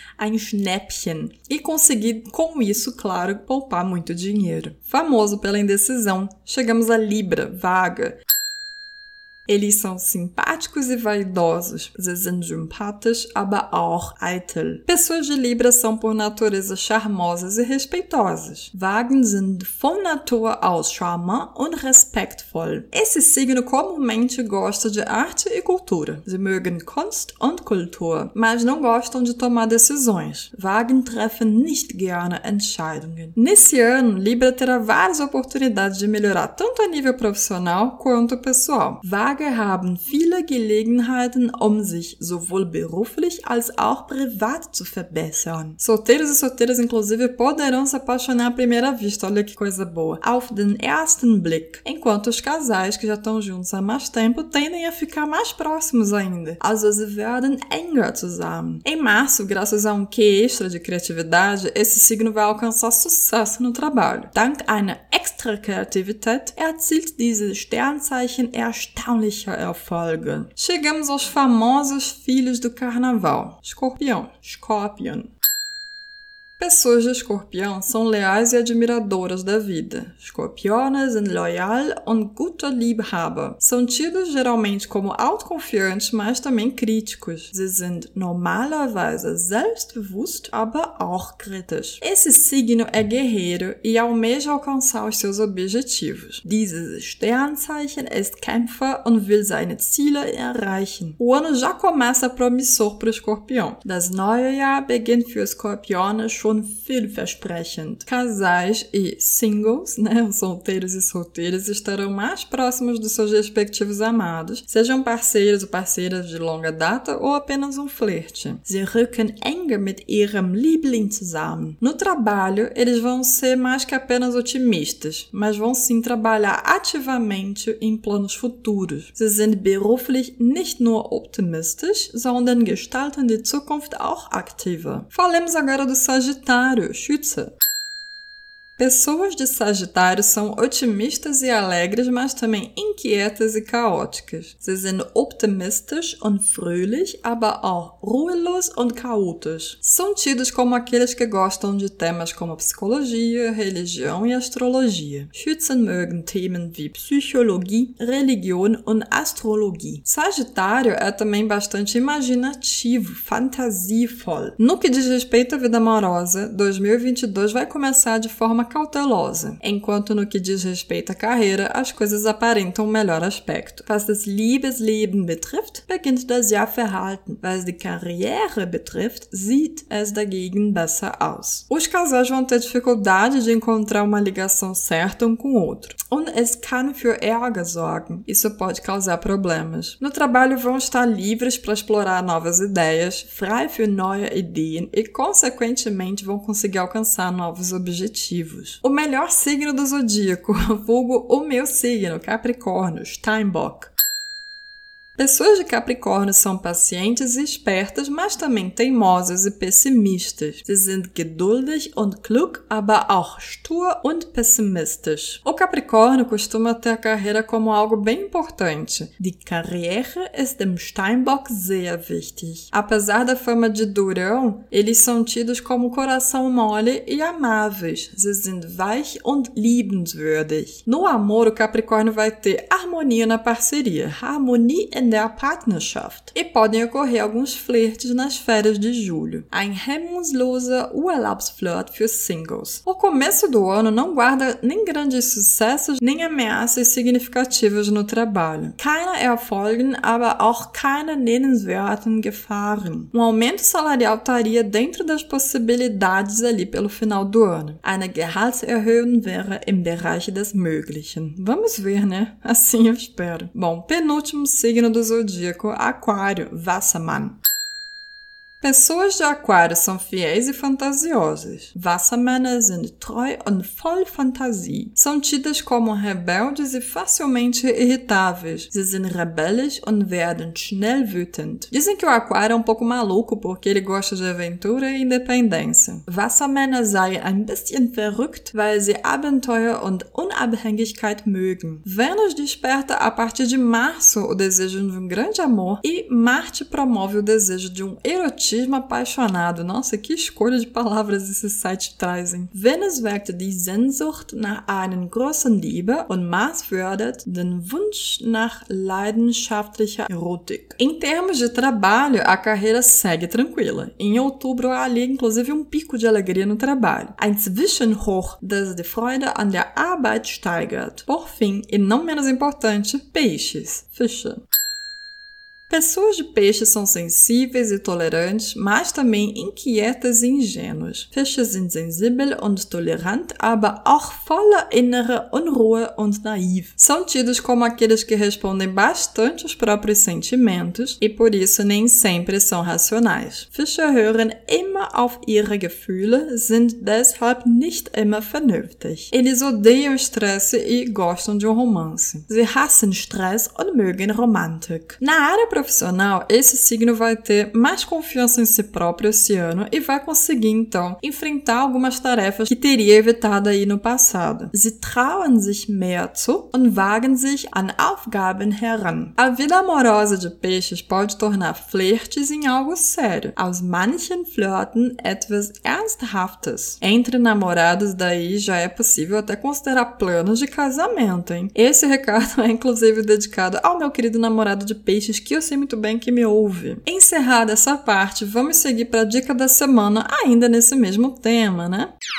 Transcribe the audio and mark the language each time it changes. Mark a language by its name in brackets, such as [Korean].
[German] Ein Schnäppchen. [Portuguese] E conseguir, com isso, claro, poupar muito dinheiro. Famoso pela indecisão, chegamos a Libra, vaga. Eles são simpáticos e vaidosos. [German] Sie sind sympathisch, aber auch eitel. [Portuguese] Pessoas de Libra são por natureza charmosas e respeitosas. [German] Wagen sind von Natur aus charmant und respektvoll. [Portuguese] Esse signo comumente gosta de arte e cultura. [German] Sie mögen Kunst und Kultur, [Portuguese] mas não gostam de tomar decisões. [German] Wagen treffen nicht gerne Entscheidungen. [Portuguese] Nesse ano, Libra terá várias oportunidades de melhorar tanto a nível profissional quanto pessoal. [German] Waage haben viele Gelegenheiten, sich sowohl beruflich als auch privat zu verbessern. [Portuguese] Solteiros e solteiras, inclusive, poderão se apaixonar à primeira vista. Olha que coisa boa. [German] Auf den ersten Blick. [Portuguese] Enquanto os casais, que já estão juntos há mais tempo, tendem a ficar mais próximos ainda. [German] Also sie werden enger zusammen. [Portuguese] Em março, graças a um Q extra de criatividade, esse signo vai alcançar sucesso no trabalho. [German] Dank einer extra Kreativität erzielt dieses Sternzeichen erstaunliche Erfolge. [Portuguese] Chegamos aos famosos filhos do carnaval. Escorpião. Scorpion. Pessoas de escorpião são leais e admiradoras da vida. [German] Scorpione sind loyal und guter Liebhaber. [Portuguese] São tidos geralmente como autoconfiantes, mas também críticos. [German] Sie sind normalerweise selbstbewusst, aber auch kritisch. [Portuguese] Esse signo é guerreiro e almeja alcançar os seus objetivos. [German] Dieses Sternzeichen ist Kämpfer und will seine Ziele erreichen. [Portuguese] O ano já começa promissor para o escorpião. [German] Das neue Jahr beginnt für Scorpione schon vielversprechend. [Portuguese] Casais e singles, né, solteiros e solteiras, estarão mais próximos dos seus respectivos amados, sejam parceiros ou parceiras de longa data ou apenas um flerte. [German] Sie rücken enger mit ihrem Liebling zusammen. [Portuguese] No trabalho, eles vão ser mais que apenas otimistas, mas vão sim trabalhar ativamente em planos futuros. [German] Sie sind beruflich nicht nur optimistisch, sondern gestalten die Zukunft auch aktiver. [Portuguese] Falemos agora do Sagittário. Sagitário, Schütze. Pessoas de Sagitário são otimistas e alegres, mas também inquietas e caóticas. [German] Sie sind optimistisch und fröhlich, aber auch ruhelos und chaotisch. [Portuguese] São tidos como aqueles que gostam de temas como psicologia, religião e astrologia. [German] Schützen mögen Themen wie Psychologie, Religion und Astrologie. [Portuguese] Sagitário é também bastante imaginativo, fantasievoll. No que diz respeito à vida amorosa, 2022 vai começar de forma cautelosa. Enquanto no que diz respeito à carreira, as coisas aparentam um melhor aspecto. [German] Was das Liebesleben betrifft, beginnt das Jahr verhalten. Was die Karriere betrifft, sieht es dagegen besser aus. [Portuguese] Os casais vão ter dificuldade de encontrar uma ligação certa um com o outro. [German] Und es kann für Ärger sorgen. [Portuguese] Isso pode causar problemas. No trabalho vão estar livres para explorar novas ideias, [German] frei für neue Ideen [Portuguese] e, consequentemente, vão conseguir alcançar novos objetivos. O melhor signo do zodíaco, vulgo o meu signo, Capricórnio, Steinbock. Pessoas de Capricórnio são pacientes e espertas, mas também teimosas e pessimistas. [German] Sie sind geduldig und klug, aber auch stur und pessimistisch. [Portuguese] O Capricórnio costuma ter a carreira como algo bem importante. [German] Die Karriere ist dem Steinbock sehr wichtig. [Portuguese] Apesar da fama de durão, eles são tidos como coração mole e amáveis. [German] Sie sind weich und liebenswürdig. [Portuguese] No amor, o Capricórnio vai ter harmonia na parceria. [German] Harmonie der Partnerschaft. [Portuguese] E podem ocorrer alguns flertes nas férias de julho. [German] Ein hemmungsloser Urlaubsflirt für Singles. [Portuguese] O começo do ano não guarda nem grandes sucessos, nem ameaças significativas no trabalho. [German] Keine Erfolgen, aber auch keine nennenswerten Gefahren. [Portuguese] Um aumento salarial estaria dentro das possibilidades ali pelo final do ano. [German] Eine Gehaltserhöhung wäre im Bereich des Möglichen. [Portuguese] Vamos ver, né? Assim eu espero. Bom, penúltimo signo do zodíaco Aquário, Wassermann. Pessoas de Aquário são fiéis e fantasiosas. [German] Wassermänner sind treu und voll Fantasie. [Portuguese] São tidas como rebeldes e facilmente irritáveis. [German] Sie sind rebellisch und werden schnell wütend. [Portuguese] Dizem que o Aquário é um pouco maluco porque ele gosta de aventura e independência. [German] Wassermänner seien ein bisschen verrückt, weil sie Abenteuer und Unabhängigkeit mögen. [Portuguese] Vênus desperta a partir de março o desejo de um grande amor e Marte promove o desejo de um erotismo. Autismo apaixonado. Nossa, que escolha de palavras esse site traz, hein? [German] Venus weckt die Sehnsucht nach einer großen Liebe und Mars fördert den Wunsch nach leidenschaftlicher Erotik. [Portuguese] Em termos de trabalho, a carreira segue tranquila. Em outubro, há ali, inclusive, um pico de alegria no trabalho. [German] Ein Zwischenhoch, das die Freude an der Arbeit steigert. [Portuguese] Por fim, e não menos importante, peixes. Fische. Pessoas de peixes são sensíveis e tolerantes, mas também inquietas e ingênuas. [German] Fische sind sensibel und tolerant, aber auch voller innerer Unruhe und naiv. [Portuguese] São tidos como aqueles que respondem bastante aos próprios sentimentos e por isso nem sempre são racionais. [German] Fische hören immer auf ihre Gefühle, sind deshalb nicht immer vernünftig. [Portuguese] Eles odeiam estresse e gostam de um romance. [German] Sie hassen Stress und mögen Romantik. [Portuguese] Na área profissional, esse signo vai ter mais confiança em si próprio esse ano e vai conseguir, então, enfrentar algumas tarefas que teria evitado aí no passado. [German] Sie trauen sich mehr zu und wagen sich an Aufgaben heran. [Portuguese] A vida amorosa de peixes pode tornar flertes em algo sério. [German] Aus manchen Flirten etwas Ernsthaftes. [Portuguese] Entre namorados daí já é possível até considerar planos de casamento, hein? Esse recado é, inclusive, dedicado ao meu querido namorado de peixes que eu sei muito bem que me ouve. Encerrada essa parte, vamos seguir para a dica da semana, ainda nesse mesmo tema, né?